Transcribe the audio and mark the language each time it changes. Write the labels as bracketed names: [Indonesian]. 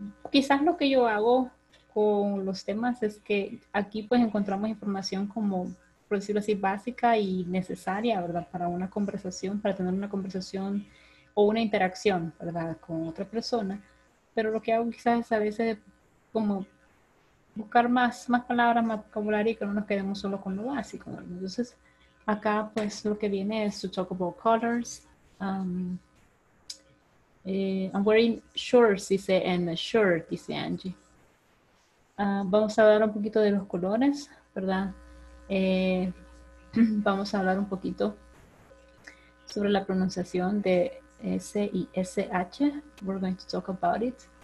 [Spanish] Quizás lo que yo hago con los temas es que aquí pues encontramos información como, por decirlo así, básica y necesaria, ¿verdad? Para una conversación, para tener una conversación o una interacción, ¿verdad? Con otra persona. Pero lo que hago quizás es a veces como buscar más palabras, más vocabulario y que no nos quedemos solo con lo básico. Entonces, acá pues lo que viene es [English] to talk about colors. I'm wearing shorts, dice, and a shirt, dice Angie. [Spanish] Vamos a hablar un poquito de los colores, ¿verdad? Vamos a hablar un poquito sobre la pronunciación de S y SH, [English] we're going to talk about it.